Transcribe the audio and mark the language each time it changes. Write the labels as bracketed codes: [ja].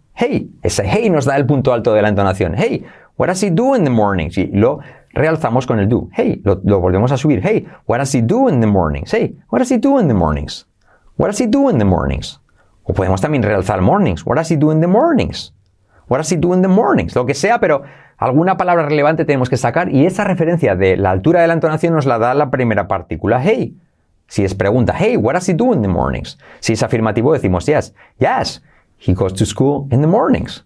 [es] Hey, ese hey nos da el punto alto de la entonación. [en] Hey, what does he do in the mornings? [es] Y lo realzamos con el do. [en] Hey, [es] lo volvemos a subir. [en] Hey, what does he do in the mornings? Hey, what does he do in the mornings? What does he do in the mornings? [es] O podemos también realzar mornings. [en] What does he do in the mornings? What does he do in the mornings? [es] Lo que sea, pero alguna palabra relevante tenemos que sacar y esa referencia de la altura de la entonación nos la da la primera partícula. Hey, si es pregunta. [en] Hey, what does he do in the mornings? [es] Si es afirmativo, decimos yes. [en] Yes, he goes to school in the mornings.